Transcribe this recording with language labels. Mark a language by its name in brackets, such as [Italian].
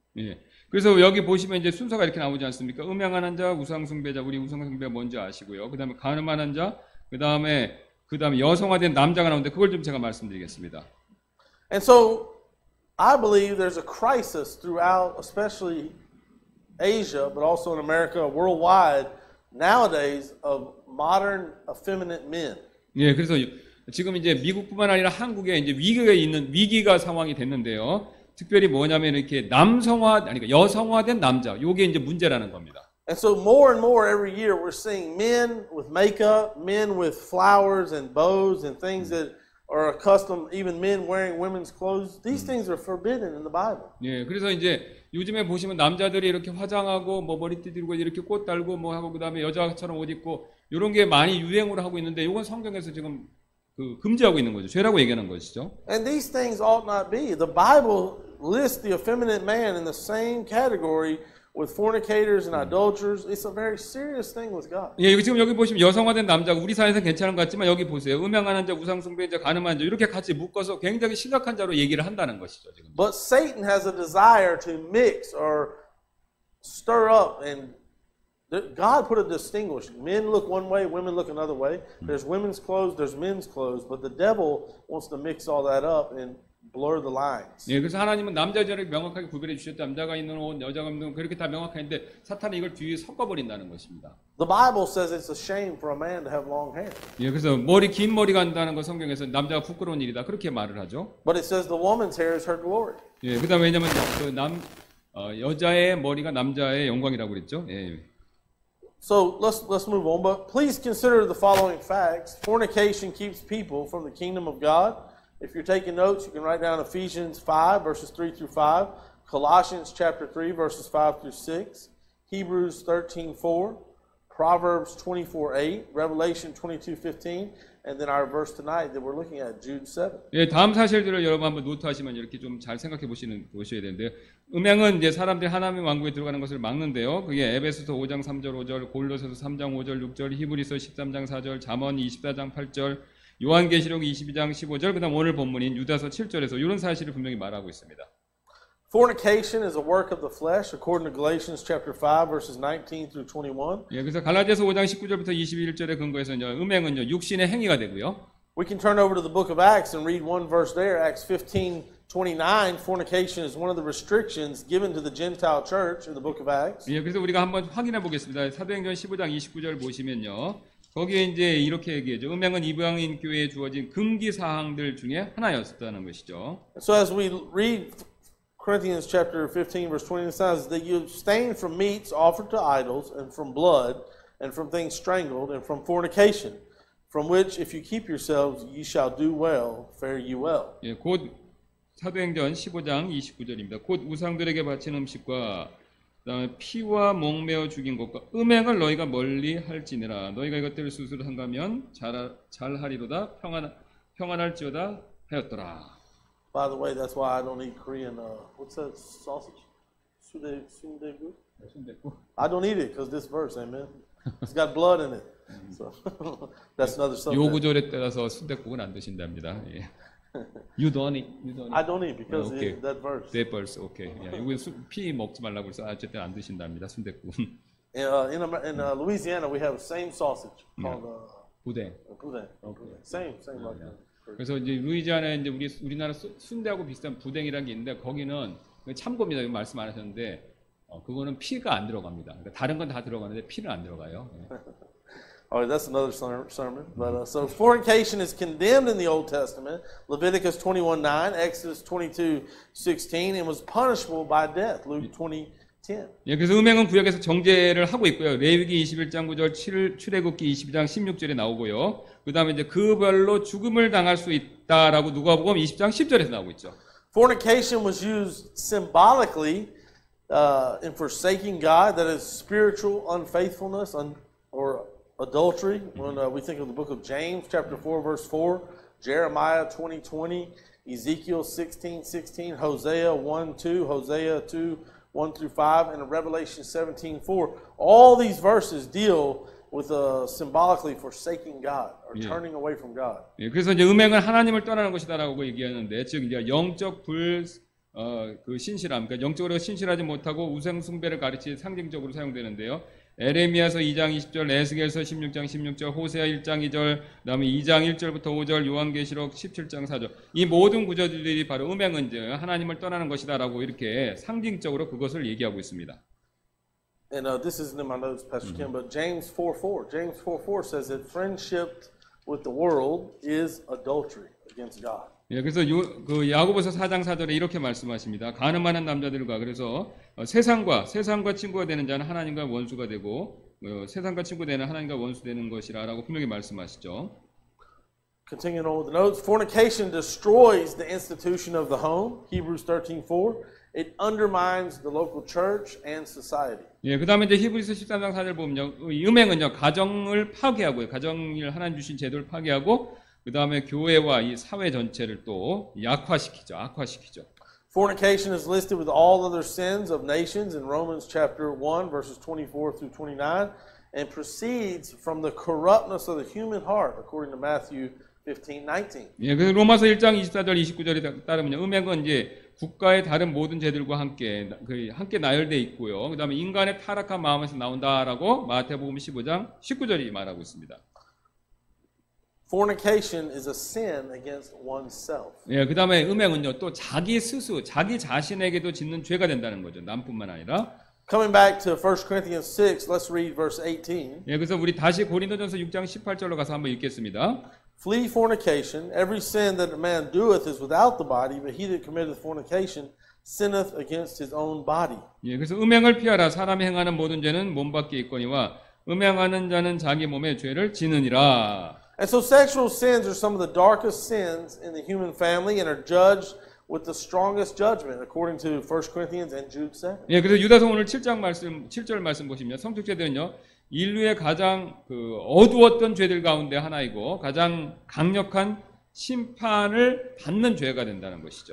[Korean] 예. 그래서 여기 보시면 이제 순서가 이렇게 나오지 않습니까? 음행하는 자, 우상숭배자. 우리 우상숭배가 뭔지 아시고요. 그 다음에 간음하는 자, 그 다음에 여성화된 남자가 나오는데 그걸 좀 제가 말씀드리겠습니다. [English] And so, I believe there's a crisis throughout, especially Asia, but also in America, worldwide, nowadays, of modern effeminate men. [Korean] 예, 그래서 지금 이제 미국뿐만 아니라 한국에 이제 위기가 상황이 됐는데요. 특별히 뭐냐면 이렇게 여성화된 남자, 요게 이제 문제라는 겁니다. [English] And so more and more every year we're seeing men with makeup, men with flowers and bows and things that or accustomed even men wearing women's clothes these things are forbidden in the bible. [Korean] 예, 그래서 이제 요즘에 보시면 남자들이 이렇게 화장하고 뭐 머리띠 들고 이렇게 꽃 달고 뭐 하고 그다음에 여자처럼 옷 입고 요런 게 많이 유행으로 하고 있는데 요건 성경에서 지금 그 금지하고 있는 거죠. 죄라고 얘기하는 것이죠. [English] And these things ought not be. The Bible lists the effeminate man in the same category with fornicators and adulterers. It's a very serious thing with God. [Korean] 예, 지금 여기 보시면 여성화된 남자가 우리 사회에서는 괜찮은 것 같지만 여기 보세요. 음행하는 자, 우상숭배자, 가늠한 자 이렇게 같이 묶어서 굉장히 심각한 자로 얘기를 한다는 것이죠. 지금. [English] But Satan has a desire to mix or stir up and God put a distinguished. Men look one way, women look another way. There's women's clothes, there's men's clothes, but the devil wants to mix all that up and blur the lines. [Korean] 예, 그래서 하나님은 남자 여자를 명확하게 구별해 주셨다. 남자가 있는 옷, 여자가 있는 옷 그렇게 다 명확한데 사탄이 이걸 뒤에 섞어 버린다는 것입니다. [English] The Bible says it's a shame for a man to have long hair. [Korean] 예, 그래서 머리 긴 머리 간다는 거 성경에서 남자가 부끄러운 일이다. 그렇게 말을 하죠. [English] But it says the woman's hair is her glory. [Korean] 예, 그다음에 왜냐면 그 남 여자의 머리가 남자의 영광이라고 그랬죠. 예. [English] So let's move on, but please consider the following facts. Fornication keeps people from the kingdom of God. If you're taking notes, you can write down Ephesians 5, verses 3 through 5, Colossians chapter 3, verses 5 through 6, Hebrews 13, 4, Proverbs 24, 8, Revelation 22, 15, and then our verse tonight that we're looking at, Jude 7. [Korean] 예, 다음 사실들을 여러분 한번 노트하시면 이렇게 좀 잘 생각해 보시는 보셔야 되는데요. 음행은 이제 사람들이 하나님의 왕국에 들어가는 것을 막는데요. 그게 에베소서 5장 3절 5절, 골로새서 3장 5절 6절, 히브리서 13장 4절, 잠언 24장 8절, 요한계시록 22장 15절, 그다음 오늘 본문인 유다서 7절에서 이런 사실을 분명히 말하고 있습니다. [English] Fornication is a work of the flesh, according to Galatians chapter 5, verses 19 through 21. [Korean] 예, 그래서 갈라디아서 5장 19절부터 21절에 근거해서 이제 음행은요 육신의 행위가 되고요. [English] We can turn over to the book of Acts and read one verse there, Acts 15. 29 fornication is one of the restrictions given to the Gentile church in the book of Acts. [Korean] 예, 그래서 우리가 한번 확인해 보겠습니다. 사도행전 15장 29절 보시면요. 거기에 이제 이렇게 얘기하죠. 음행은 이방인 교회에 주어진 금기 사항들 중에 하나였다는 것이죠. [English] So as we read Corinthians chapter 15 verse 29 says that you abstain from meats offered to idols and from blood and from things strangled and from fornication from which if you keep yourselves you shall do well fare you well. [Korean] 예, 곧 사도행전 15장 29절입니다. 곧 우상들에게 바친 음식과 그다음에 피와 목매어 죽인 것과 음행을 너희가 멀리 할지니라 너희가 이것들을 스스로 한가면 잘하리로다 평안할지어다 하였더라. [English] By the way, that's why I don't eat Korean. What's that sausage? Sundaegu. I don't eat it because this verse, amen. It's got blood in it. So that's another subject. [Korean] 요 구절에 따라서 순대국은 안 드신답니다. [English] You don't eat. You don't eat. I don't eat because okay. of that verse. That verse, okay. [Korean] 여기 피 먹지 말라고 그래서 어쨌든 안 드신답니다, 순댓국. [English] In Louisiana, we have the same sausage called 부대. [Korean] 부대. [English] Okay. Same. [Korean] 그래서 이제 루이지아나 이제 우리나라 순대하고 비슷한 부대라는 게 있는데 거기는 참고입니다. 말씀 안 하셨는데 그거는 피가 안 들어갑니다. 그러니까 다른 건 다 들어가는데 피는 안 들어가요. [English] All right, that's another sermon. But so fornication is condemned in the Old Testament, Leviticus 21:9, Exodus 22:16, and was punishable by death, Luke 20:10. [Korean] 예, 그래서 음행은 구약에서 정죄를 하고 있고요. 레위기 21장 9절, 출애굽기 22장 16절에 나오고요. 그다음에 이제 그 별로 죽음을 당할 수 있다라고 누가복음 20장 10절에서 나오고 있죠. [English] Fornication was used symbolically in forsaking God, that is spiritual unfaithfulness or adultery, when we think of the book of James, chapter 4, verse 4, Jeremiah 20:20, Ezekiel 16:16, Hosea 1:2, Hosea 2:1-5, and Revelation 17:4. All these verses deal with symbolically forsaking God or turning away from God. [Korean] 예, 그래서 이제 음행은 하나님을 떠나는 것이다라고 얘기하는데, 즉 이제 영적 그 신실함, 그러니까 영적으로 신실하지 못하고 우상숭배를 가르치는 상징적으로 사용되는데요. 에레미야서 2장 20절, 에스겔서 16장 16절, 호세아 1장 2절, 그다음에 2장 1절부터 5절, 요한계시록 17장 4절. 이 모든 구절들이 바로 음행은 이제 하나님을 떠나는 것이다라고 이렇게 상징적으로 그것을 얘기하고 있습니다. [English] And this isn't in my notes, Pastor Kim, but James 4:4. James 4:4 says that friendship with the world is adultery against God. [Korean] 예, 그래서 그 야고보서 4장 4절에 이렇게 말씀하십니다. 가늠하는 남자들과 그래서 세상과 친구가 되는 자는 하나님과 원수가 되고 세상과 친구 되는 하나님과 원수 되는 것이라라고 분명히 말씀하시죠. [English] Continuing on with the notes, fornication destroys the institution of the home. Hebrews 13:4. It undermines the local church and society. [Korean] 예, 그다음에 이제 히브리서 13장 4절 보면요. 음행은요. 가정을 파괴하고요. 가정을 하나님 주신 제도를 파괴하고 그 다음에 교회와 이 사회 전체를 또 약화시키죠. 악화시키죠. [English] Fornication is listed with all other sins of nations in Romans chapter 1 verses 24 through 29 and proceeds from the corruptness of the human heart according to Matthew 15:19. [Korean] 예, 로마서 1장 24절 29절에 따르면 음행은 이제 국가의 다른 모든 죄들과 함께 나열돼 있고요. 그다음에 인간의 타락한 마음에서 나온다라고 마태복음 15장 19절이 말하고 있습니다. [English] Fornication is a sin against oneself. [Korean] 예, 그다음에 음행은요 또 자기 자신에게도 짓는 죄가 된다는 거죠. 남뿐만 아니라. [English] Coming back to 1 Corinthians 6, let's read verse 18. [Korean] 예, 그래서 우리 다시 고린도전서 6장 18절로 가서 한번 읽겠습니다. [English] Flee fornication. Every sin that a man doeth is without the body, but he that committeth fornication sinneth against his own body. [Korean] 예, 그래서 음행을 피하라. 사람이 행하는 모든 죄는 몸 밖에 있거니와 음행하는 자는 자기 몸에 죄를 지느니라. [English] And so sexual sins are some of the darkest sins in the human family and are judged with the strongest judgment according to 1 Corinthians and Jude 7. [Korean] 예, 그래서 유다서 오늘 7장 말씀 7절 말씀 보시면 성적죄들은요. 인류의 가장 그 어두웠던 죄들 가운데 하나이고 가장 강력한 심판을 받는 죄가 된다는 것이죠.